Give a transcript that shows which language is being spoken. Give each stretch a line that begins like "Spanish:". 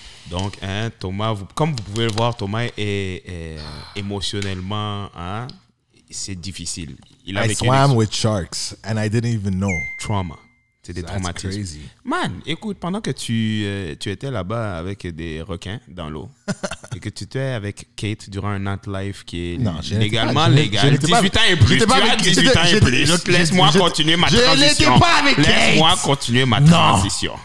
French: Donc, hein, Thomas, comme vous pouvez le voir, Thomas est émotionnellement, hein, c'est difficile. Il a
English: swam with sharks and I didn't even know.
French: Trauma. C'est des traumatismes.
English: That's crazy.
French: Man, écoute, pendant que tu étais là-bas avec des requins dans l'eau et que tu étais avec Kate durant un nightlife qui est légalement légal. 18 ans et plus. Tu as 18 ans et plus. Laisse-moi continuer ma transition. Je n'étais pas avec Kate. Laisse-moi continuer ma transition.